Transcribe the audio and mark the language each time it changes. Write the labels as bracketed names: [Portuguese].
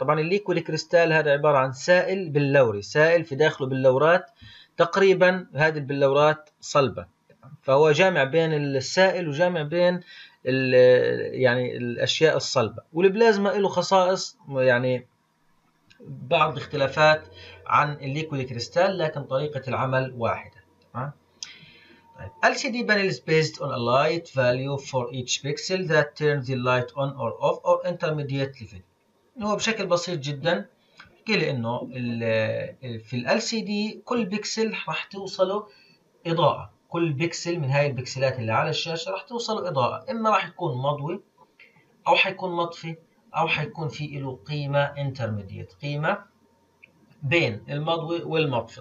[Arabic] طبعا الليكويد كريستال هذا عبارة عن سائل بلوري، سائل في داخله بلورات، تقريبا هذه البلورات صلبة، فهو جامع بين السائل وجامع بين يعني الأشياء الصلبة. والبلازما له خصائص، يعني بعض اختلافات عن الليكويد كريستال، لكن طريقة العمل واحدة. [English] LCD panel is based on a light value for each pixel that turns the light on or off or intermediate level. [Arabic] هو بشكل بسيط جدا قال انه في ال LCD كل بيكسل راح توصله إضاءة، كل بيكسل من هاي البكسلات اللي على الشاشة راح توصله إضاءة، إما راح يكون مضوي أو حيكون مطفي أو حيكون في له قيمة intermediate، قيمة بين المضوي والمطفي.